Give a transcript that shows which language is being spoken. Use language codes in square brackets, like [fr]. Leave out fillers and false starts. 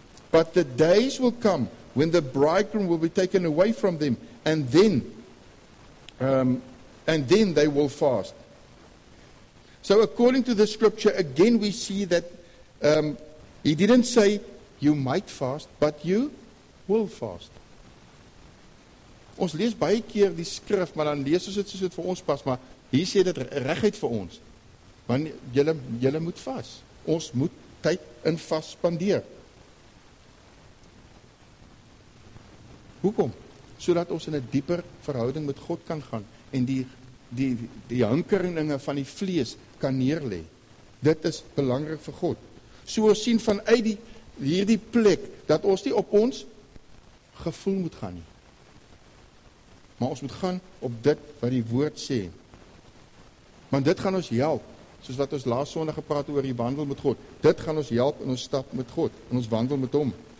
[en] But the days will come when the bridegroom will be taken away from them, and then they will fast. So according to the scripture, again we see that he didn't say you might fast, but you will fast. [af] Ons lees baie keer die skrif, maar dan lees ons het soos het vir ons pas, maar hier sê dit reguit vir ons. Want jylle moet vas. Ons moet tyd in vas spandeer. Hoekom? Sodat ons in 'n dieper verhouding met God kan gaan en die hinkeringe van die vlees kan neerlê. Dit is belangrik vir God. So ons sien vanuit hierdie plek, dat ons nie op ons gevoel moet gaan nie. Maar ons moet gaan op dit wat die woord sê. Want dit gaan ons help, soos wat ons laas Sondag gepraat oor die wandel met God. Dit gaan ons help in ons stap met God, in ons wandel met hom.